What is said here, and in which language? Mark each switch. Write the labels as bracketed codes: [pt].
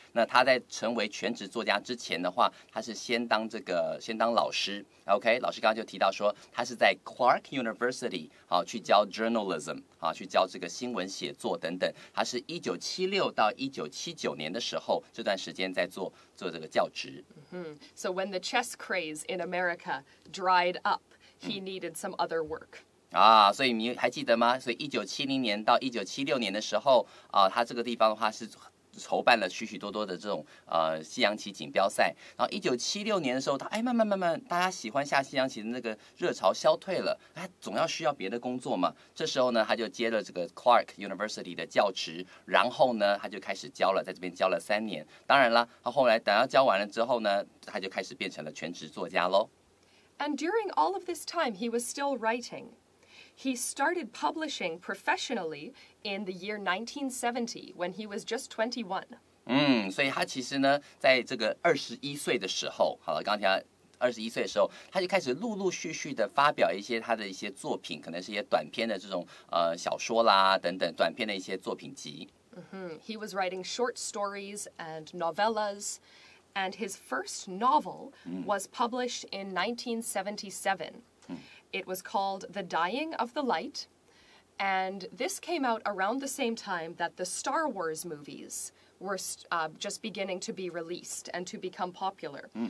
[zh] 那他在成为全职作家之前的话，他是先当老师。 OK， 老师刚刚就提到说，他是在 Clark University 好去教 journalism， 好去教这个新闻写作等等。他是1976到1979年的时候这段时间在做这个教职。 [en] So when the chess craze in America dried up, he needed some other work. [zh] 所以你还记得吗？所以1970年到1976年的时候，他这个地方的话是筹办了许许多多的这种西洋棋锦标赛。然后1976年的时候，他慢慢大家喜欢下西洋棋的那个热潮消退了，他总要需要别的工作嘛。这时候呢，他就接了这个 Clark University 的教职，然后呢，他就开始教了，在这边教了三年。当然了，他后来等要教完了之后呢，他就开始变成了全职作家喽。 [en] And during all of this time, he was still writing. He started publishing professionally. In the year 1970, when he was just 21. [zh] 所以他其实呢，在这个二十一岁的时候，好了，刚才二十一岁的时候，他就开始陆陆续续的发表一些他的一些作品，可能是一些短篇的这种小说啦等等，短篇的一些作品集。 [en] He was writing short stories and novellas, and his first novel was published in 1977. It was called The Dying of the Light. And this came out around the same time that the Star Wars movies were just beginning to be released and to become popular.